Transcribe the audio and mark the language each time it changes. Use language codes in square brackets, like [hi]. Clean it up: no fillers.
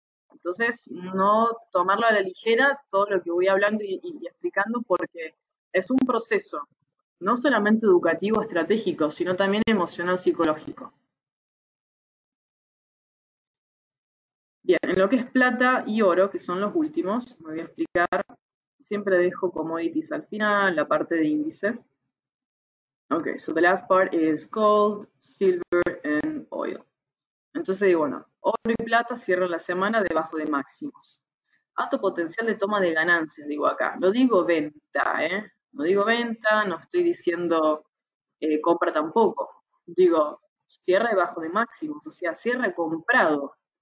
[es] Entonces, no tomarlo a la ligera todo lo que voy hablando y explicando, porque es un proceso, no solamente educativo, estratégico, sino también emocional, psicológico. Bien, en lo que es plata y oro, que son los últimos, me voy a explicar. Siempre dejo commodities al final, la parte de índices. [en] Ok, so the last part is gold, silver and oil. [es] Entonces digo, bueno, oro y plata cierran la semana debajo de máximos. Alto potencial de toma de ganancias, digo acá. No digo venta, ¿eh? No digo venta, no estoy diciendo compra tampoco. Digo, cierra debajo de máximos, o sea, cierra comprado.